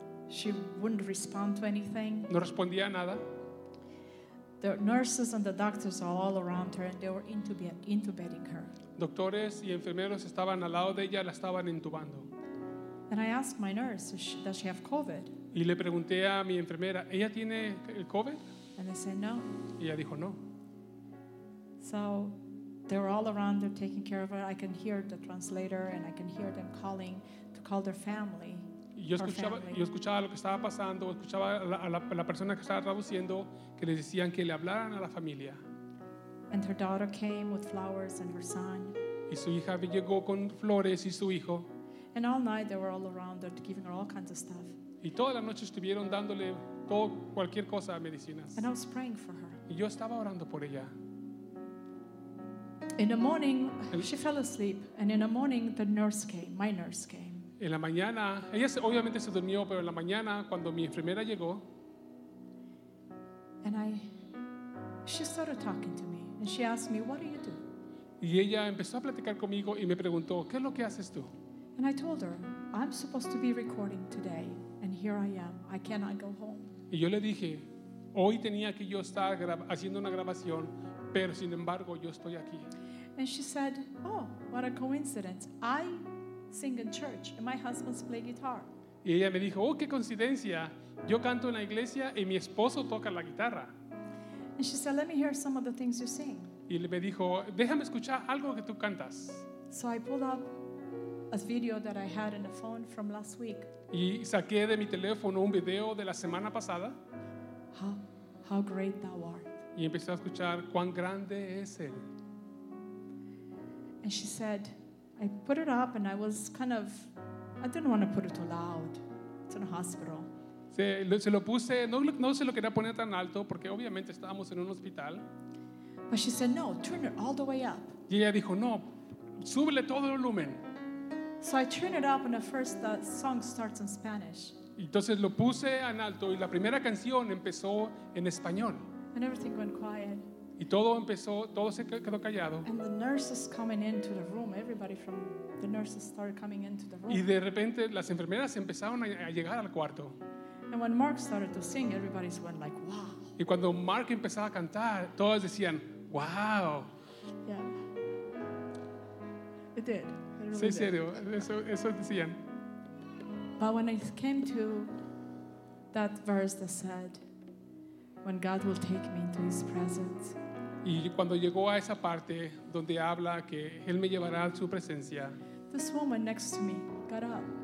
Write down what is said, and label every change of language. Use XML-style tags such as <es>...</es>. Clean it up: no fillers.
<en>She wouldn't respond to anything.</en> <es>No respondía a nada.</es> <en>The nurses and the doctors are all around her and they were intubating her.</en> <es>Doctores y enfermeros estaban al lado de ella, la estaban intubando.</es> <en>And I asked my nurse, does she have COVID?</en> <es>Y le pregunté a mi enfermera, ¿ella tiene el COVID?</es> <en>And they said no.</en> <es>Y ella dijo no.</es> <en>So they were all around her taking care of her. I can hear the translator and I can hear them calling to call their family.</en> <es>Yo escuchaba lo que estaba pasando, escuchaba a la persona que estaba traduciendo que les decían que le hablaran a la familia.</es> <en>And her daughter came with flowers and her son.</en> <es>Y su hija llegó con flores y su hijo.</es> <en>And all night they were all around her giving her all kinds of stuff.</en> <es>Y toda la noche estuvieron dándole todo, cualquier cosa, medicinas.</es> <en>And I was praying for her.</en> <es>Y yo estaba orando por ella.</es> <en>In the morning, she fell asleep. And in the morning, the nurse came, my nurse came.</en> <es>En la mañana, ella obviamente se durmió, pero en la mañana, cuando mi enfermera llegó.</es> <en>And she started talking to me. And she asked me, what do you do?</en> <es>Y ella empezó a platicar conmigo y me preguntó, ¿qué es lo que haces tú?</es> <en>And I told her, I'm supposed to be recording today, and here I am. I cannot go home.</en> <es>Y yo le dije, hoy tenía que yo estar haciendo una grabación, pero sin embargo, yo estoy aquí.</es> <en>And she said, oh, what a coincidence. I sing in church, and my husband's play guitar.</en> <es>Y ella me dijo, oh, qué coincidencia. Yo canto en la iglesia, y mi esposo toca la guitarra.</es> <en>And she said, let me hear some of the things you sing.</en> <es>Y me dijo, déjame escuchar algo que tú cantas.</es> <en>So I pulled up a video that I had in the phone from last week.</en> <es>Y saqué de mi teléfono un video de la semana pasada.</es> <en>How great thou art.</en> <es>Y empecé a escuchar cuán grande es él.</es> <en>And she said, I put it up and I was kind of, I didn't want to put it too loud. It's in a hospital.</en> <es>Se lo puse, no se lo quería poner tan alto porque obviamente estábamos en un hospital.</es> <en>But she said, no, turn it all the way up.</en> <es>Y ella dijo, no, súbele todo el volumen.</es> <en>So I turned it up, and at first the song starts in Spanish.</en> <es>Entonces lo puse en alto, y la primera canción empezó en español.</es> <en>And everything went quiet.</en> <es>Y todo empezó, todo se quedó callado.</es> <en>And the nurses coming into the room, everybody from the nurses started coming into the room.</en> <es>Y de repente las enfermeras empezaron a llegar al cuarto.</es> <en>And when Mark started to sing, everybody went like, wow.</en> <es>Y cuando Mark empezaba a cantar, todos decían, wow.</es> <en>Yeah. It did.</en> <es>Sí, serio, eso decían.</es> <en>But when I came to that verse that said, when God will take me into his presence.</en> <es>Y cuando llegó a esa parte donde habla que él me llevará a su presencia.</es> <en>This woman next to me got up.</en>